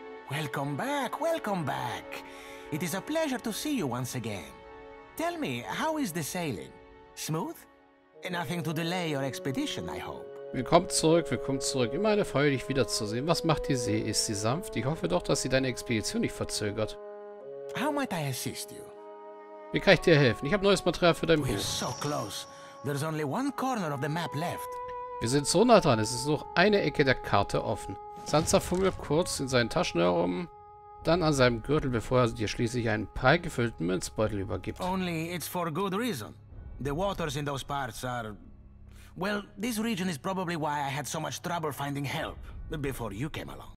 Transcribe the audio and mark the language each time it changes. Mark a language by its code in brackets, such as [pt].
[en] Welcome back, welcome back. It is a pleasure to see you once again. Tell me, how is the sailing? Smooth? Nothing to delay your expedition, I hope. [de] Willkommen zurück, immer eine Freude, dich wiederzusehen. Was macht die See? Ist sie sanft? Ich hoffe doch, dass sie deine Expedition nicht verzögert. [en] How might I assist you? [de] Wie kann ich dir helfen? Ich habe neues Material für dein Buch. [en] We're so close. There's only one corner of the map left. [de] Wir sind so nah dran, es ist noch eine Ecke der Karte offen. Sansa fummelt kurz in seinen Taschen herum. dann an seinem Gürtel, bevor er dir schließlich einen prallgefüllten Münzbeutel übergibt. [en] Only it's for good reason. The waters in those parts are... Well, this region is probably why I had so much trouble finding help before you came along.